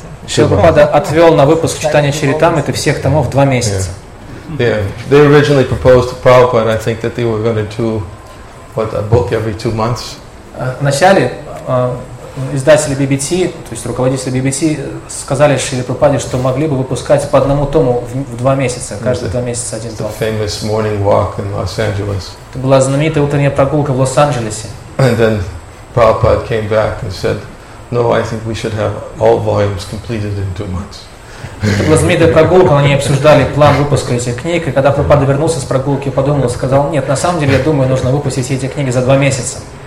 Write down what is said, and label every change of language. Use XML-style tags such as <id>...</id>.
<ru>Шилпада отвел на выпуск читания Чаритамриты всех томов 2 месяца.</ru> <en>Yeah. They originally proposed to Prabhupada, I think, that they were going to do what, a book every 2 months.</en> <ru>Вначале издатели BBT, то есть руководители BBT, сказали Шриле Прабхупаде, что могли бы выпускать по одному тому в 2 месяца, каждые 2 месяца один том.</ru> <en>The famous morning walk in Los Angeles.</en> <ru>Это была знаменитая утренняя прогулка в Лос-Анджелесе.</ru> <en>And then Prabhupada came back and said, no, I think we should have all volumes completed in 2 months.</en> <ru>Это была знаменитая прогулка, они обсуждали план выпуска этих книг, и когда Прабхупада вернулся с прогулки, подумал, сказал, нет, на самом деле, я думаю, нужно выпустить эти книги за 2 месяца.</ru>